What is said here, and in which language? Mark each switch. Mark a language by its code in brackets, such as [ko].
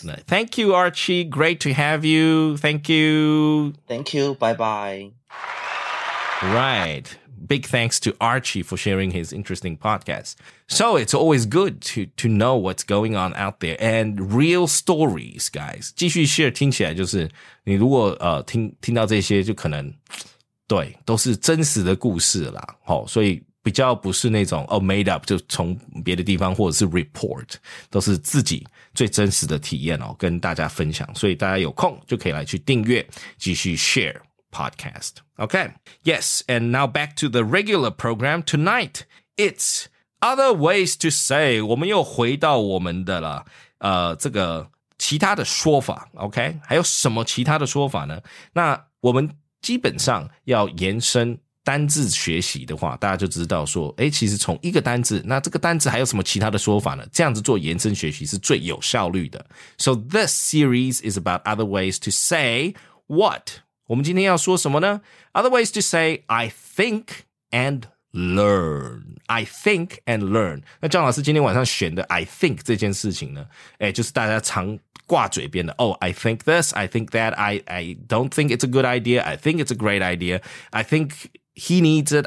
[en] Thank you, Archie. Great to have you. Thank you. Thank you. Bye-bye. Right. Big thanks to Archie for sharing his interesting podcast. So it's always good to know what's going on out there and real stories, guys. [zh] 继续 share 听起来就是你如果听到这些就可能对都是真实的故事啦。齁，所以比较不是那种made up 就从别的地方或者是 report, 都是自己最真实的体验哦跟大家分享。所以大家有空就可以来去订阅继续 share. Podcast. Okay. Yes. [en] And now back to the regular program tonight. It's other ways to say. [zh] 我们又回到我们的了。这个其他的说法。Okay. 还有什么其他的说法呢？那我们基本上要延伸单字学习的话，大家就知道说，诶，其实从一个单字，那这个单字还有什么其他的说法呢？这样子做延伸学习是最有效率的。 [en] So this series is about other ways to say what. [zh] 我们今天要说什么呢？ [en] Other ways to say I think and learn. I think and learn. [zh] 那张老师今天晚上选的 [en] I think [zh] 这件事情呢，诶，就是大家常挂嘴边的 [en] Oh, I think this, I think that, I don't think it's a good idea, I think it's a great idea, I thinkHe needs it.